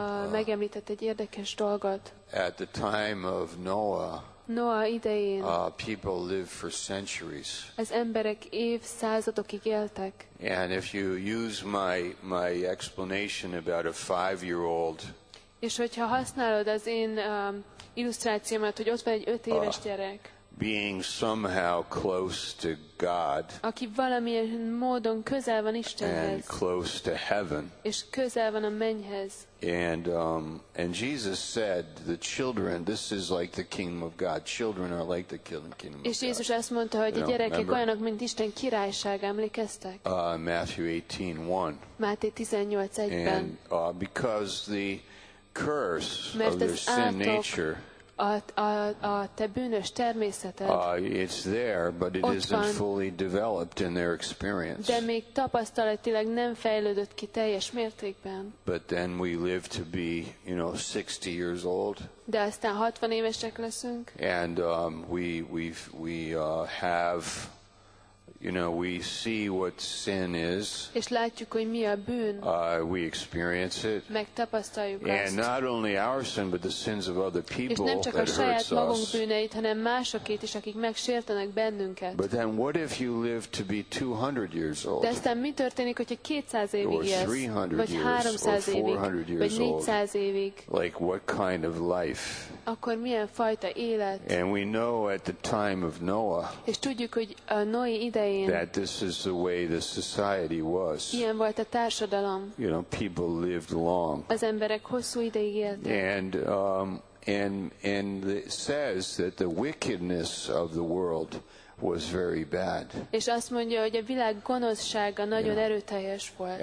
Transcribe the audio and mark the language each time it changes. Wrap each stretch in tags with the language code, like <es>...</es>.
<hu>Megemlített egy érdekes dolgot.</hu> <en>At the time of Noah.</en> <hu>Noah idején.</hu> <en>People lived for centuries.</en> <hu>Az emberek évszázadokig éltek.</hu> <en>And if you use my explanation about a 5-year-old.</en> <hu>És hogyha használod az én illusztrációmat, hogy ott van egy 5 éves gyerek.</hu> <en>being somehow close to God,</en> <hu>aki valamilyen módon közel van Istenhez,</hu> <en>and close to heaven,</en> <hu>és közel van a mennyhez.</hu> <en>And Jesus said, the children, this is like the kingdom of God. Children are like the kingdom of</en> <hu>God. És Jézus azt mondta, hogy a gyerekek olyanok, mint Isten királyság, emlékeztek?</hu> <en>Matthew 18:1.</en> <hu>Máté 18:1-ben.</hu> <en>And because the curse of their sin nature,</en> <hu>a te bűnös természeted,</hu> <en>it's there, but it isn't</en> <hu>van,</hu> <en>fully developed in their experience.</en> <hu>De még tapasztalatilag nem fejlődött ki teljes mértékben.</hu> <en>But then we live to be, you know, 60 years old.</en> <hu>De aztán 60 évesek leszünk.</hu> <en>And we have, you know, we see what sin is.</en> <hu>És látjuk, hogy mi a bűn.</hu> <en>We experience it.</en> <hu>Megtapasztaljuk azt.</hu> <en>And not only our sin, but the sins of other people.</en> <hu>És nem csak a saját magunk bűneit, hanem másokét is, akik megsértenek bennünket.</hu> <en>But then what if you live to be 200 years old?</en> <hu>De aztán mi történik, hogyha 200 évig élsz?</hu> <en>Or 300</en> <hu>vagy 300</hu> <en>years, or 400</en> <hu>évig,</hu> <en>years</en> <hu>vagy 400</hu> <en>old?</en> <hu>Évig.</hu> <en>Like what kind of life?</en> <hu>Akkor milyen fajta élet?</hu> <en>And we know at the time of Noah.</en> <hu>És tudjuk, hogy a Noé ide</hu> <en>that this is the way the society was.</en> <hu>Ilyen volt a társadalom.</hu> <en>You know, people lived long.</en> <hu>Az emberek hosszú ideig éltek.</hu> <en>And it says that the wickedness of the world was very bad.</en> <hu>És azt mondja, hogy a világ gonoszsága nagyon erőteljes volt.</hu>